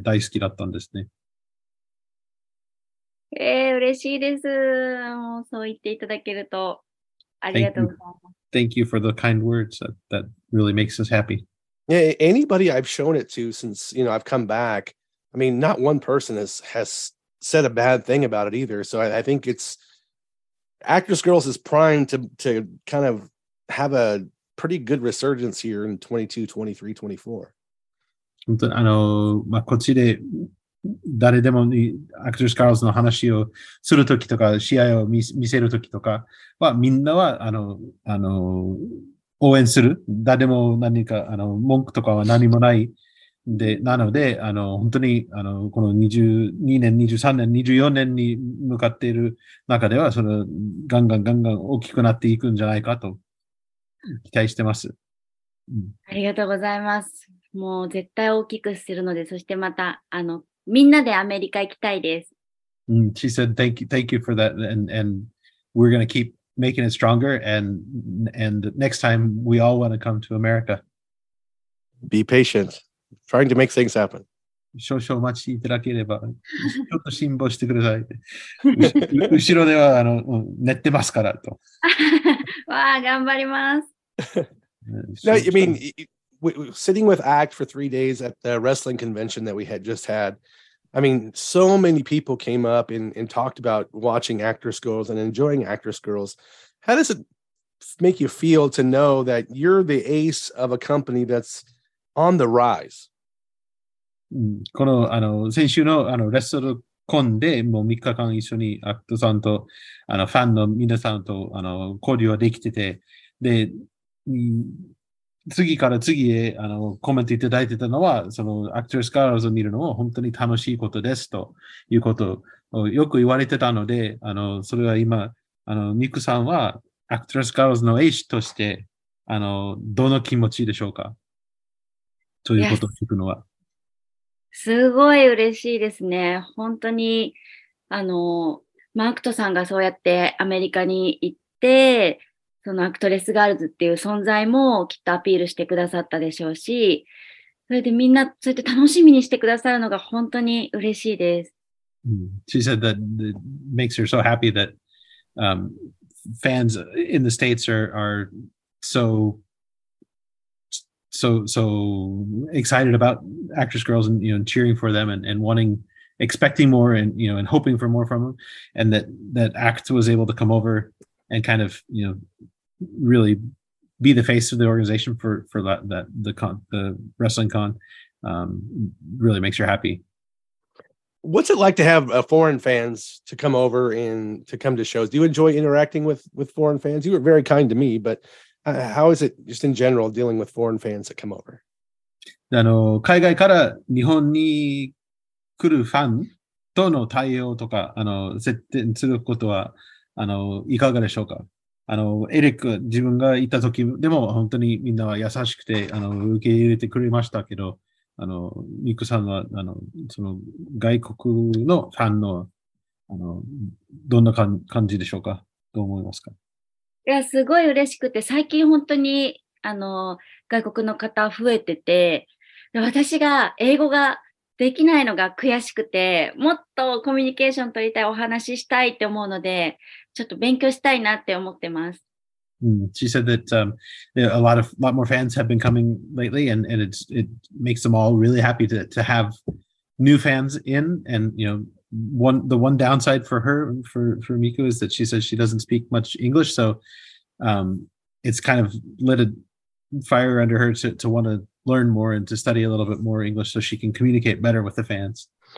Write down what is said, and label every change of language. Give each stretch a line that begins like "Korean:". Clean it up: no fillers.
Japanese: 大好きだったんですね。嬉しいです。もうそう言っていただけるとありがとうございます。
English: Thank you for the kind words. That really makes us happy. Yeah, anybody I've shown it to since, you know, I've come back, I mean, not one person has said a bad thing about it either. So I think it's Actwres Girls is primed to kind of have a pretty good resurgence here in 22, 23, 24.
Japanese: 本当にあの、まあ、こっちで誰でもアクトレスガールズの話をするときとか試合を見せるときとかはみんなはあの応援する、誰も何かあの文句とかは何もないで、なのであの本当にあのこの22年23年24年に向かっている中では、そのガンガンガンガン大きくなっていくんじゃないかと期待してます、うん、ありがとうございます。もう絶対大きくするので、そしてまたあのみんなでアメリカ行きたいです。
English: Mm, she said, thank you for that. And we're going to keep making it stronger. And next time, we all want to come to America. Be patient. Trying to make things happen.
Japanese: 少々お待ちいただければ。ちょっと辛抱してください。後ろではあの寝てますからと。わあ、頑張ります。
English: No, I mean... sitting with ACT for 3 days at the wrestling convention that we had just had, I mean, so many people came up and talked about watching Actwres Girls and enjoying Actwres Girls. How does it make you feel to know that you're the ace of a company that's on the rise?
Japanese: この、あの、先週の、あの、レッスルコンでもう3日間一緒に ACT さんと、あの、ファンの皆さんと、あの、交流はできてて、で、次から次へ、あの、コメントいただいてたのは、その、アクトレスガールズを見るのを本当に楽しいことです、ということをよく言われてたので、あの、それは今、あの、ミクさんは、アクトレスガールズのエイシとして、あの、どの気持ちでしょうか？ということを聞くのは。すごい嬉しいですね。本当に、あの、マークトさんがそうやってアメリカに行って、そのアクトレスガールズっていう存在もきっとアピールしてくださったでしょうし、それでみんなそうやって楽しみにしてくださるのが本当に嬉しいです。
English: She said that it makes her so happy that fans in the States are so excited about Actwres Girls and, you know, cheering for them and wanting expecting more and, you know, and hoping for more from him. And that, that ACT was able to come over and kind of, you know, really be the face of the organization for that, that the con, the wrestling con, really makes you happy. What's it like to have foreign fans to come over and to come to shows? Do you enjoy interacting with foreign fans? You were very kind to me, but how is it just in general dealing with foreign fans that come over?
Japanese: あの、海外から日本に来るファンとの対応とか、あの、設定することは、あの、いかがでしょうか？あの、エリック、自分が行った時でも本当にみんなは優しくて、あの、受け入れてくれましたけど、あの、ミクさんは、あの、その、外国のファンの、あの、どんな感じでしょうか？どう思いますか？いや、すごい嬉しくて、最近本当に、あの、外国の方増えてて、私が英語ができないのが悔しくて、もっとコミュニケーション取りたい、お話ししたいって思うので、ちょっと勉強したいなって思ってます。
English: She said that a lot of lot more fans have been coming lately, and it's, it makes them all really happy to have new fans in. And you know, one the one downside for her for Miku is that she says she doesn't speak much English, so it's kind of lit a fire under her to want to learn more and to study a little bit more English so she can communicate better with the fans.